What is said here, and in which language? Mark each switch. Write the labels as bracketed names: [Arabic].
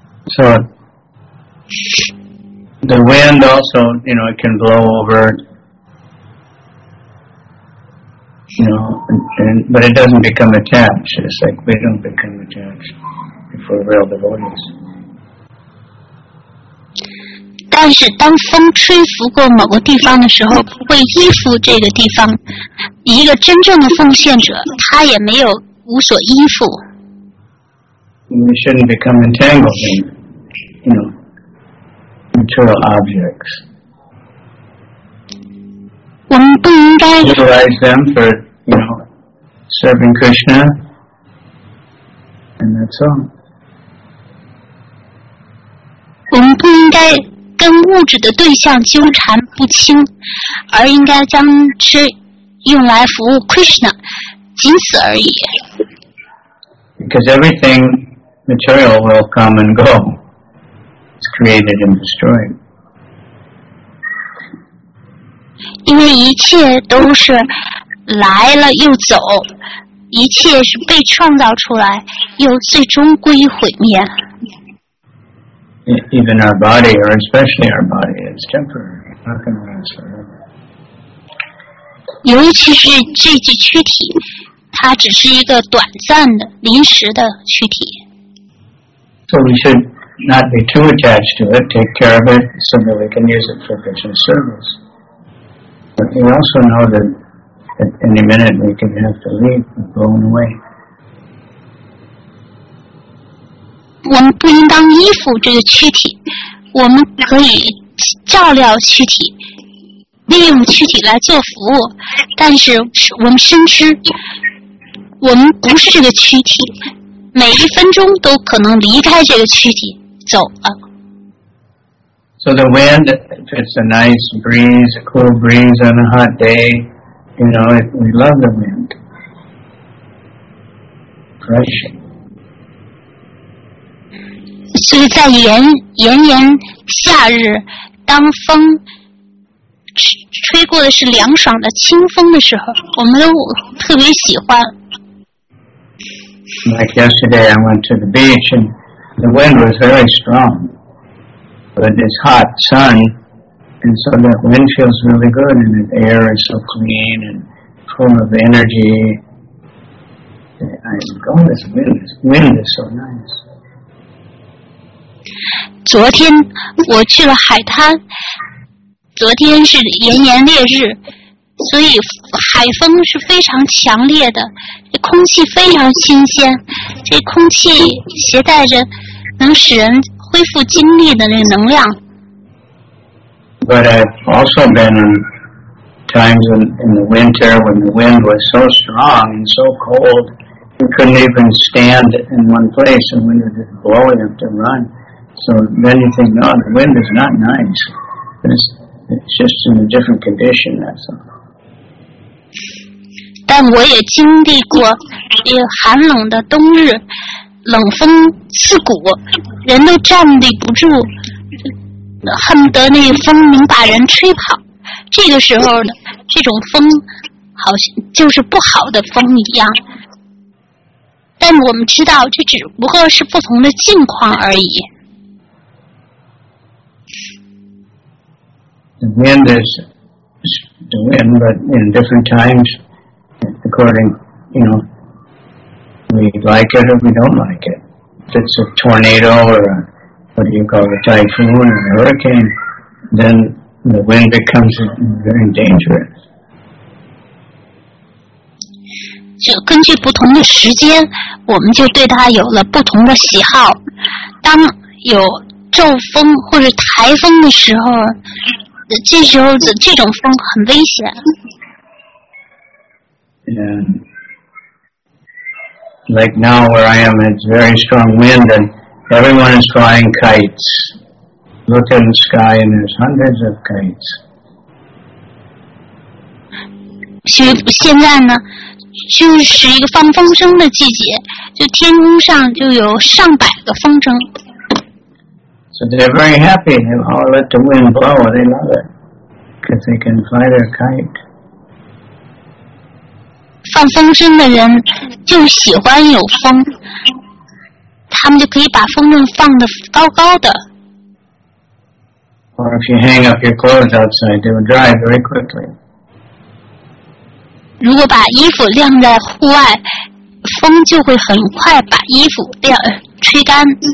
[English] So the wind also, you know, it can blow over, you know, but it doesn't become attached. It's like we don't become attached.For real devotees. [Chinese] 但是当风吹拂过某个地方的时候，不会依附这个地方。一个真正的奉献者，他也没有无所依附。 [English] We shouldn't become entangled in, material objects. Utilize them for, serving Krishna, and that's all. [Chinese] 我们不应该跟物质的对象纠缠不清，而应该将之用来服务 Krishna， 仅此而已。 [English] Because everything. Material will come and go. It's created and destroyed. [Chinese] 因为一切都是来了又走，一切是被创造出来，又最终归于毁灭。 [English] Even our body, or especially our body, is temporary. Not going to last forever. [Chinese] 尤其是这具躯体，它只是一个短暂的、临时的躯体。 [English] So we should not be too attached to it, take care of it so that we can use it for Krishna's service. But we also know that at any minute we can have to leave and go away. We should not be too attached to it, take care of it so that we can use it for Krishna's service. But we also know that at any minute we can have to leave and go away. We are not this body. [Chinese] 每一分钟都可能离开这个躯体走了。 [English] So the wind, if it's a nice breeze, a cool breeze on a hot day, we love the wind. Fresh. [Chinese] 所以在炎炎夏日，当风吹过的是凉爽的清风的时候，我们都特别喜欢。 [English] Like yesterday, I went to the beach and the wind was very strong. But it's hot sun, and so that wind feels really good, and the air is so clean and full of energy. This wind is so nice. [Chinese] 昨天我去了海滩，昨天是炎炎烈日，所以海风是非常强烈的，空气非常新鲜，这空气携带着能使人恢复精力的那个能量。 [English] But I've also been in times in the winter when the wind was so strong and so cold, you couldn't even stand in one place, and when you're just blowing, you have to run. So then you think, no, the wind is not nice. It's just in a different condition, that's all. [Chinese] 但我也经历过寒冷的冬日，冷风刺骨，人都站立不住，恨不得那风能把人吹跑。这个时候呢，这种风好像就是不好的风一样。但我们知道，这只不过是不同的境况而已。 [English] The wind is the wind, but in different times. According, we like it or we don't like it. If it's a tornado or a typhoon or a hurricane, then the wind becomes very dangerous. [Chinese] 就根据不同的时间，我们就对它有了不同的喜好。当有骤风或者台风的时候，这时候这种风很危险。 [English] And like now where I am, it's very strong wind and everyone is flying kites. Look in the sky and there's hundreds of kites. [Chinese] 现在呢就是一个放风筝的季节，就天空上就有上百个风筝。 [English] So they're very happy. They all let the wind blow. They love it because they can fly their kite. [Chinese] 放风筝的人就喜欢有风，他们就可以把风筝放得高高的。 [English] Or if you hang up your clothes outside, they will dry very quickly. [Chinese] 如果把衣服晾在户外，风就会很快把衣服晾吹干。